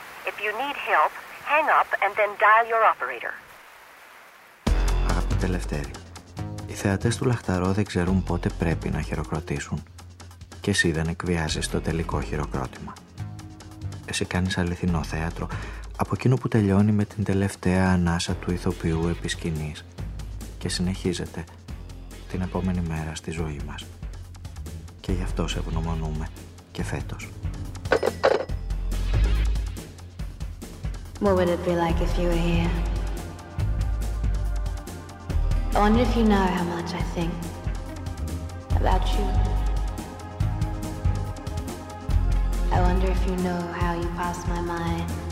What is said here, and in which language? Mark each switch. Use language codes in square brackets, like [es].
[en] If you need help, hang up and then dial your operator. [el] Αγαπητέ Λευτέρη, οι θεατές του Λαχταρό δεν ξέρουν πότε πρέπει να χειροκροτήσουν και εσύ δεν εκβιάζεις το τελικό χειροκρότημα. Εσύ κάνεις αληθινό θέατρο από εκείνο που τελειώνει με την τελευταία ανάσα του ηθοποιού επί σκηνής και συνεχίζεται την επόμενη μέρα στη ζωή μας. Και γι' αυτό σε ευγνωμονούμε και φέτος. [en] What would it be like if you were here? I wonder if you know how much I think about you. I wonder if you know how you pass my mind.